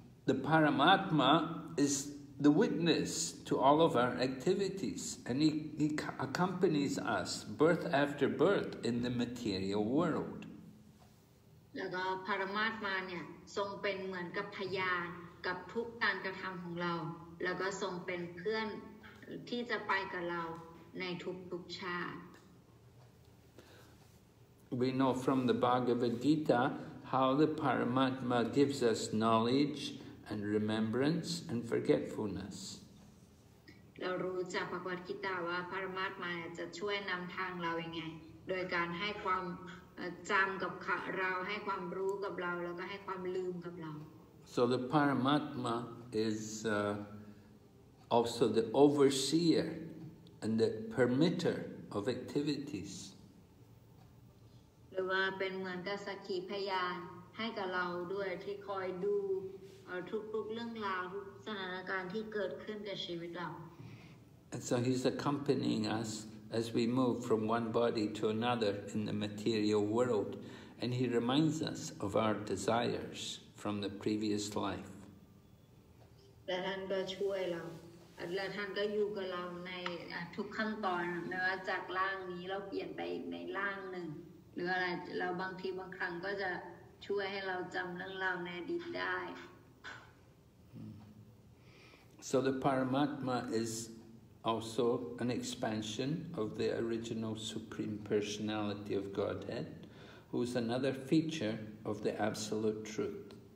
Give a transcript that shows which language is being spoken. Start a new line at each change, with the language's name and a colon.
English: The Paramatma is the witness to all of our activities, and he accompanies us birth after birth in the material world.
Thai: แล้วก็ Paramatma เนี่ยทรงเป็นเหมือนกับพยานกับทุกการกระทำของเราแล้วก็ทรงเป็นเพื่อนที่จะไปกับเราในทุกชาติ
English: We know from the Bhagavad Gita. How the Paramatma gives us knowledge and remembrance and forgetfulness.
Thai: เรารู้จากพระวจนะว่าปรมัตถ์มาจะช่วยนำทางเราอย่างไรโดยการให้ความจำกับเราให้ความรู้กับเราแล้วก็ให้ความลืมกับเรา
English: So the Paramatma is also the overseer and the permitter of activities.
Thai: ว่าเป็นเหมือนกับสักขีพยานให้กับเราด้วยที่คอยดูทุกๆเรื่องราวทุกสถานการณ์ที่เกิดขึ้นกับชีวิตเรา
English: And so he's accompanying us as we move from one body to another in the material world and he reminds us of our desires from the previous life
Thai: และท่านก็ช่วยเราและท่านก็อยู่กับเราในทุกขั้นตอนไม่ว่าจากร่างนี้เราเปลี่ยนไปในร่างหนึ่งหรืออะไรเราบางทีบางครั้งก็จะช่วยให้เราจำเรื่องราวในอดีตได้
English: So the Paramatma is also an expansion of the original Supreme Personality of Godhead who is another feature of the Absolute Truth.